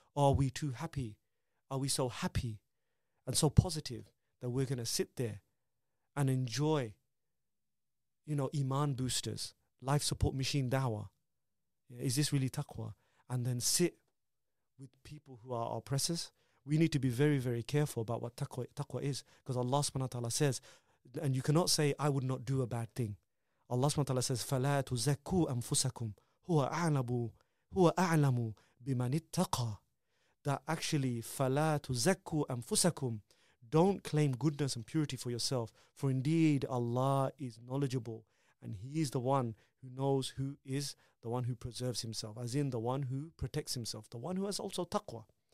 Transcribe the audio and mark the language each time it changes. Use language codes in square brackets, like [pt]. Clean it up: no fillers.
[en] Or are we too happy? Are we so happy and so positive that we're going to sit there and enjoy, you know, iman boosters, life support machine dawah? Is this really taqwa? And then sit with people who are oppressors? We need to be very, very careful about what taqwa is, because Allah subhanahu wa ta'ala says, and you cannot say, I would not do a bad thing. [ar] Allah subhanahu wa ta'ala says, فَلَا تُزَكُّوا أَنفُسَكُمْ هُوَ أَعْلَمُ بِمَنِ اتَّقَى. [en] That actually, [ar] فَلَا تُزَكُّوا أَنفُسَكُمْ, [en] don't claim goodness and purity for yourself, for indeed Allah is knowledgeable, and He is the one who knows who is the one who preserves himself, as in the one who protects himself, the one who has also taqwa.